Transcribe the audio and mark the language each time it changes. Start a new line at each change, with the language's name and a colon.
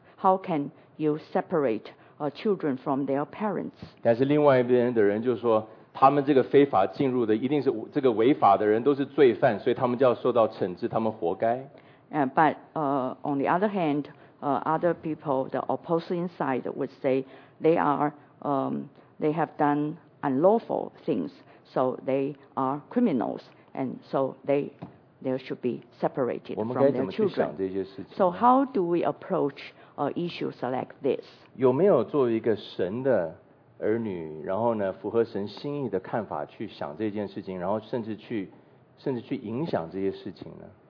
English: How can you separate children from their parents?
Chinese: 但是另外一边的人就说，他们这个非法进入的一定是这个违法的人都是罪犯，所以他们就要受到惩治，他们活该。
English: But on the other hand, other people, the opposing side would say they are. They have done unlawful things, so they are criminals, and so they should be separated from their children. So how do we approach issues like this?
Chinese: 有没有作为一个神的儿女，然后呢，符合神心意的看法去想这件事情，然后甚至去影响这些事情呢？